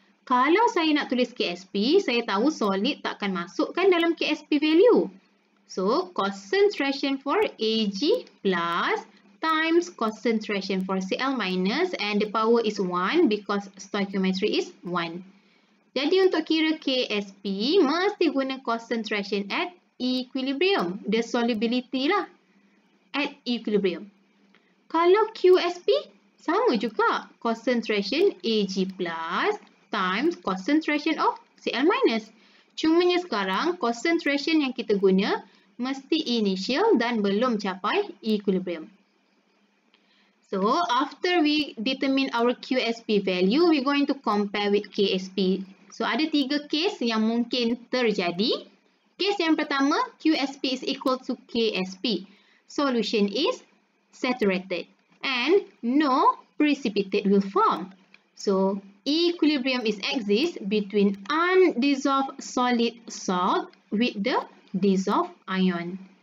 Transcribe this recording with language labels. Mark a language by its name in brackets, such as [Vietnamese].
[Malay] Kalau saya nak tulis KSP, saya tahu solid takkan masukkan dalam KSP value. [English] So, concentration for Ag plus times concentration for Cl minus and the power is 1 because stoichiometry is 1. [Malay] Jadi, untuk kira KSP, mesti guna [English] concentration at equilibrium. The solubility lah. At equilibrium. [Malay] Kalau QSP, sama juga. [English] Concentration Ag plus times concentration of Cl minus. [Malay] Cumanya sekarang, concentration yang kita guna mesti initial dan belum capai equilibrium. [English] So, after we determine our QSP value, we're going to compare with KSP. [Malay] So, ada tiga case yang mungkin terjadi. [English] Case [Malay] yang pertama, [English] QSP is equal to KSP. Solution is saturated and no precipitate will form. So, equilibrium is exist between undissolved solid salt with the dissolved ion.